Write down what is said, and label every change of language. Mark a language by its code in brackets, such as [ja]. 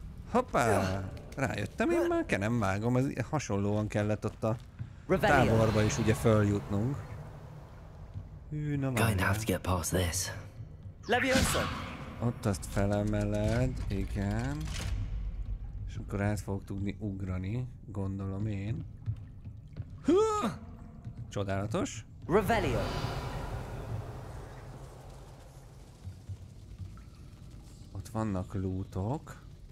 [hu] Hoppá, rájöttem én már, nem vágom, ez hasonlóan kellett ott a táborba is ugye följutnunk. [en] Going to have to get past this. Leviosa. [hu] Ott azt felemeled, igen. És akkor át fogok tudni ugrani, gondolom én. Csodálatos. [en] Revelio. [hu] Ott vannak lootok.